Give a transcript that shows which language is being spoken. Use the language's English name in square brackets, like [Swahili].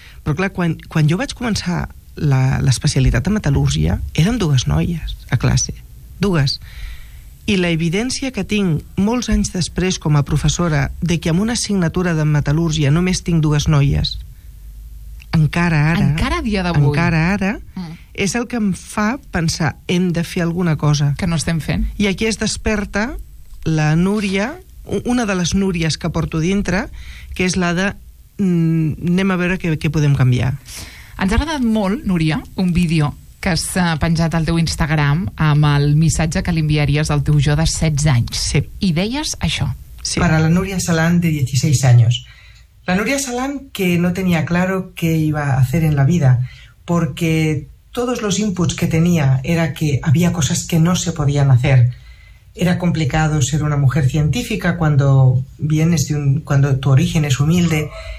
[Catalan] Però, clar, quan jo vaig començar l'especialitat de metal·lúrgia, eren dues noies a classe. Dues. I la evidència que tinc molts anys després com a professora de que amb una assignatura de metal·lúrgia només tinc dues noies, encara ara... Encara a dia d'avui. Encara ara, és el que em fa pensar, hem de fer alguna cosa. Que no estem fent. I aquí es desperta la Núria... una de les Núries que porto dintre, que és la de anem a veure què podem canviar. Ens ha agradat molt, Núria, un vídeo que has penjat al teu Instagram amb el missatge que li enviaries al teu jo de 16 anys. Sí. I deies això. Sí. [Spanish] Para la Núria Salán de 16 años. La Núria Salán que no tenía claro qué iba a hacer en la vida, porque todos los inputs que tenía era que había cosas que no se podían hacer. Era complicado ser una mujer científica cuando vienes de cuando tu origen es humilde.